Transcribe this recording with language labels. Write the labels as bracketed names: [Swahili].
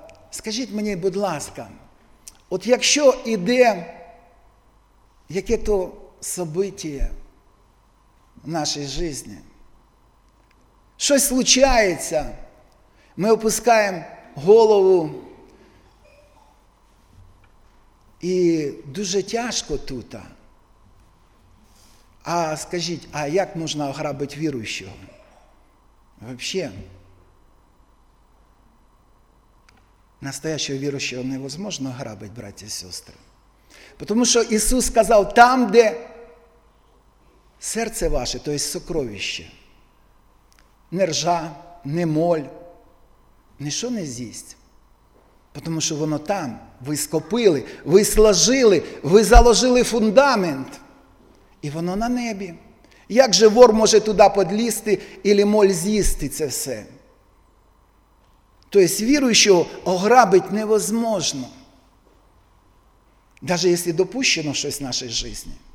[Ukrainian] Скажіть мені, будь ласка, от якщо іде яке-то событие в нашій житті, щось случається, ми опускаємо голову, і дуже тяжко тут. А скажіть, а як можна ограбити віруючого? Взагалі? [Russian] Настоящего верующего невозможно грабить, братья и сестры. Потому что Иисус сказал: там, где сердце ваше, то есть сокровище, не ржа, не моль, ничего не з'їсть. Потому что воно там, вы скопили, вы сложили, вы заложили фундамент, и воно на небе. [Ukrainian] Як же вор може туда подлізти или моль з'їсти це все? [Russian] То есть верующего ограбить невозможно, даже если допущено что-то в нашей жизни.